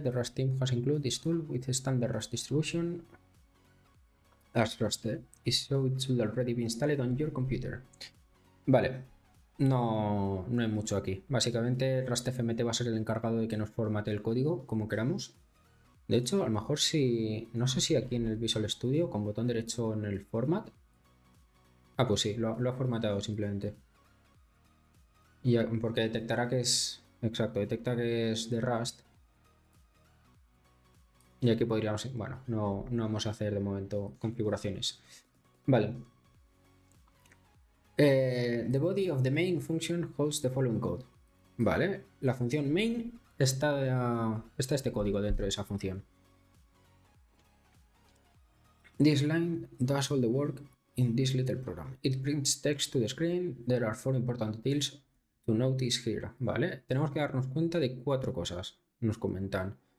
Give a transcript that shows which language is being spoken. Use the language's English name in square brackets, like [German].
[English] The Rust team has included this tool with a standard Rust distribution. As Rust D. So it should already be installed on your computer. [Spanish] Vale. No, no hay mucho aquí. Básicamente, Rust FMT va a ser el encargado de que nos formate el código como queramos. De hecho, a lo mejor si. No sé si aquí en el Visual Studio, con botón derecho en el format. Ah, pues sí, lo ha formateado simplemente. Y porque detectará que es. Exacto, detecta que es de Rust. Y aquí podríamos. Bueno, no, no vamos a hacer de momento configuraciones. Vale. [English] The body of the main function holds the following code. [Spanish] Vale, la función main. Está este código dentro de esa función. [English] This line does all the work in this little program. It prints text to the screen. There are four important details to notice here. [Spanish] Vale, tenemos que darnos cuenta de cuatro cosas, nos comentan.